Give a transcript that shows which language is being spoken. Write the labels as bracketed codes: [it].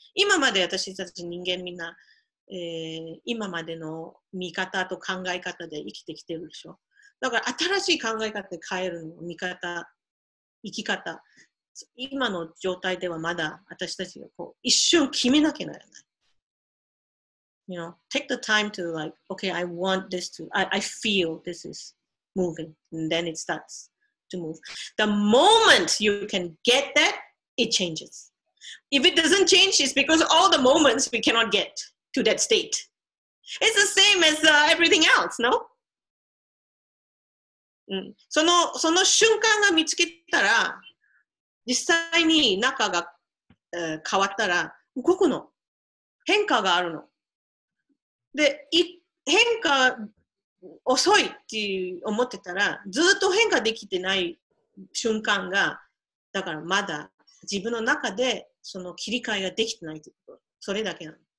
[ja] 今まで私たち人間みんな、今までの見方と考え方で生きてきてるでしょ。だから新しい考え方で変えるの、見方、生き方。今の状態ではまだ私たちがこう一瞬決めなきゃならない。 [en] You know, take the time to like, okay, I want this to, I feel this is moving, and then it starts to move. The moment you can get that, it changes. If it doesn't change, it's because all the moments we cannot get to that state. It's the same as everything else, no? [ja] うん、その瞬間が見つけたら、実際に中が、変わったら動くの、変化があるので、変化遅いって思ってたら、ずっと変化できてない瞬間が、だからまだ自分の中でその切り替えができてないってこと、それだけなの。